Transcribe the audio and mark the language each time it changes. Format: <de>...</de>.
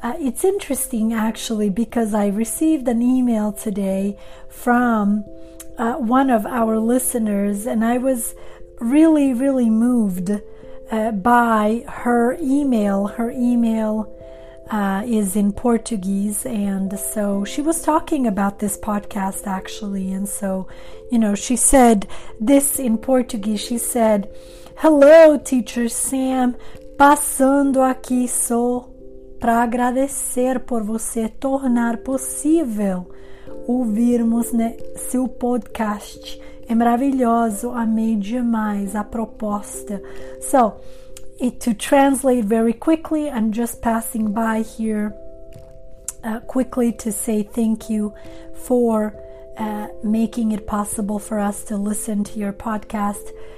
<en>It's interesting, actually, because I received an email today from one of our listeners, and I was really, really moved by her email. Her email is in Portuguese, and so she was talking about this podcast, actually, and so, you know, she said this in Portuguese. She said, "Hello, Teacher Sam,</en> <pt>passando aqui só para agradecer por você tornar possível ouvirmos, né, seu podcast. É maravilhoso, amei demais a proposta."</pt> <en>So, to translate very quickly, I'm just passing by here quickly to say thank you for making it possible for us to listen to your podcast.</en>